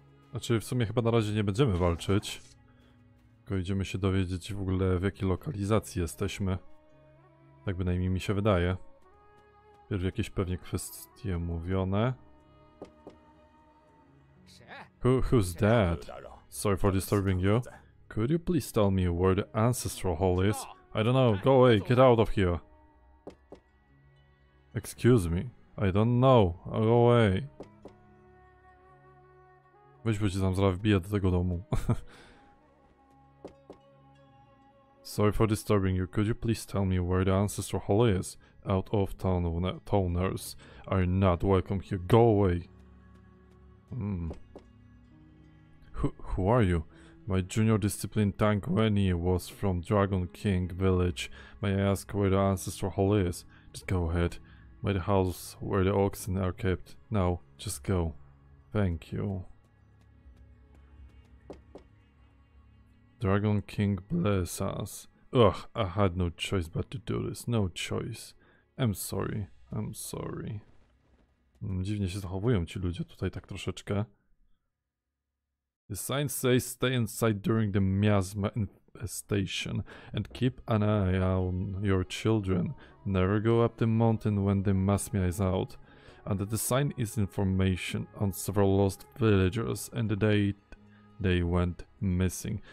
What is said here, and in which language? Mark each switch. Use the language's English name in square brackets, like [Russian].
[Polish] Znaczy w sumie chyba na razie nie będziemy walczyć. Tylko idziemy się dowiedzieć w ogóle, w jakiej lokalizacji jesteśmy. Tak bynajmniej mi się wydaje. Wpierw jakieś pewnie kwestie mówione. [English] Who's dead? Sorry for disturbing you. Could you please tell me where the ancestral hall is? I don't know, go away, get out of here. Excuse me. I don't know, go away. [Polish] Weź, bo ci tam zaraz wbiję do tego domu. [English] Sorry for disturbing you. Could you please tell me where the ancestral hall is? Out of town, towners are not welcome here. Go away. Who are you? My junior discipline tank Wenny was from Dragon King Village. May I ask where the ancestral hall is? Just go ahead. By the house where the oxen are kept. Now, just go. Thank you. Dragon King bless us. Ugh, I had no choice but to do this. No choice. I'm sorry. I'm sorry. [Polish] Dziwnie się zachowują ci ludzie tutaj tak troszeczkę. [English] The sign says stay inside during the miasma infestation and keep an eye on your children. Never go up the mountain when the miasma is out. And the sign is information on several lost villagers and the date they went missing.